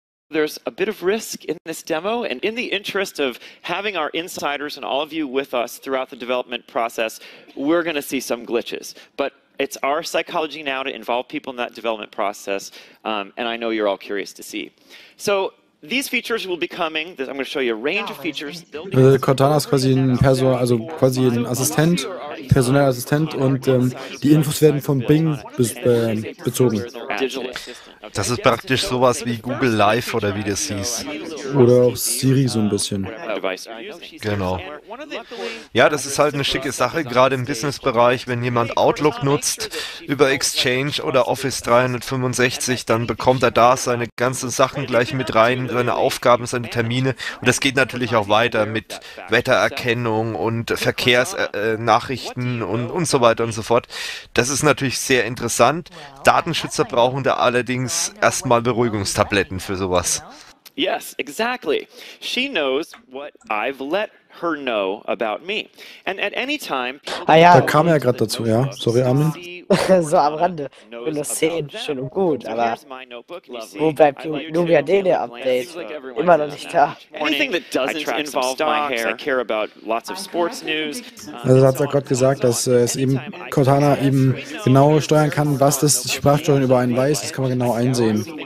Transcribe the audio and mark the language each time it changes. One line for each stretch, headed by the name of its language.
English: There's a bit of risk in this demo, and in the interest of having our insiders and all of you with us throughout the development process, we're going to see some glitches. But it's our psychology now to involve people in that development process, and I know you're all curious to see. So These features will be coming. I'm going to show you a range of features.
German: Cortana ist quasi ein Person, also quasi ein Assistent, Personalassistent, und die Infos werden von Bing bezogen. Das ist praktisch sowas wie Google Live oder wie das hieß. Oder auch Siri so ein bisschen. Genau. Ja, das ist halt eine schicke Sache, gerade im Business-Bereich. Wenn jemand Outlook nutzt über Exchange oder Office 365, dann bekommt er da seine ganzen Sachen gleich mit rein, seine Aufgaben, seine Termine. Und das geht natürlich auch weiter mit Wettererkennung und Verkehrsnachrichten und so weiter und so fort. Das ist natürlich sehr interessant. Datenschützer brauchen da allerdings erstmal Beruhigungstabletten für sowas.
English: Yes, exactly. She knows what I've let her know about me. And at any time,
German: ah, ja. Da kam er gerade dazu, ja. Sorry, Armin. So am Rande. Windows 10, schön und gut, aber wo bleibt Nubia Daily Update? Immer noch nicht da.
English: Anything that doesn't involve my hair, I care about lots of sports news.
German: Also hat er gerade gesagt, dass es eben Cortana eben genau steuern kann, was das Sprachsteuerung über einen weiß, das kann man genau einsehen.